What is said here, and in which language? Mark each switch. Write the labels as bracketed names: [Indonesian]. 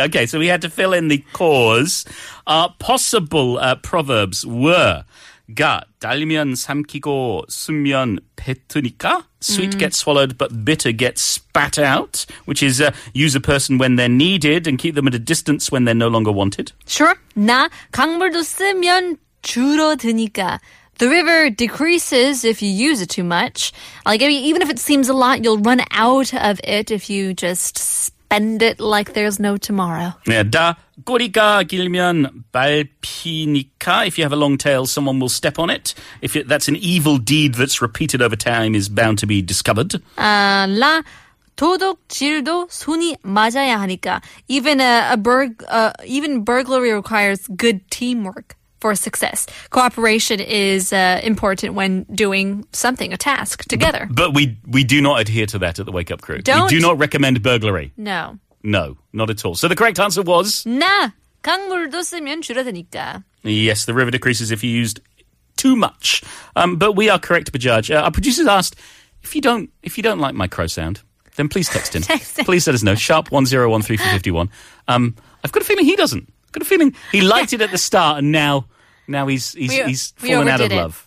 [English] Okay, so we had to fill in the cause. Possible proverbs were... [Korean] 가 달면 삼키고 숨면 뱉으니까 [English] sweet gets swallowed but bitter gets spat out, which is use a person when they're needed and keep them at a distance when they're no longer wanted. Sure. [Korean] 나 강물도 쓰면 줄어드니까. [English] The river decreases if you use it too much. Like, I mean, even if it seems a lot, you'll run out of it if you just spend it like there's no tomorrow. Yeah, [Korean] 다 꼬리가 길면 밟히니까. [English] If you have a long tail, someone will step on it. If it, that's an evil deed that's repeated over time, is bound to be discovered. [Korean] 라 도둑질도 손이 맞아야 하니까. [English] Even even burglary requires good teamwork for success. Cooperation is important when doing something, a task, together. But we do not adhere to that at the Wake Up Crew. Don't. We do not recommend burglary. No. No, not at all. So the correct answer was... [Korean] 나, 강물도 쓰면 줄어드니까. [English] Yes, the river decreases if you used too much. But we are correct, Bajaj. Our producers asked, if you don't like my crow sound, then please text in. Please let us know. Sharp 101-3451. I've got a feeling he doesn't. I've got a feeling he liked it at the start and now he's fallen out of love.